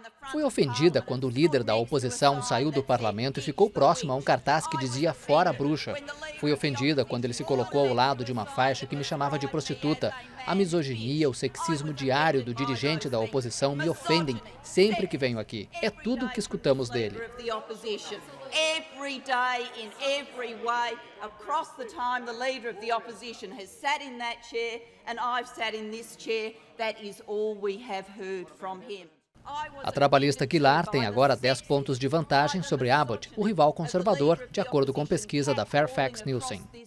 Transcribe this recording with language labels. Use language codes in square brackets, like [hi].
[pt] Fui ofendida quando o líder da oposição saiu do parlamento e ficou próximo a um cartaz que dizia "Fora bruxa". Fui ofendida quando ele se colocou ao lado de uma faixa que me chamava de prostituta. A misoginia, o sexismo diário do dirigente da oposição me ofendem sempre que venho aqui. É tudo o que escutamos dele. [en] Every day, in every way, across the time, the leader of the opposition has sat in that chair and I've sat in this chair. That is all we have heard from him. [pt] A trabalhista Gillard tem agora 10 pontos de vantagem sobre Abbott, o rival conservador, de acordo com pesquisa da Fairfax Nielsen.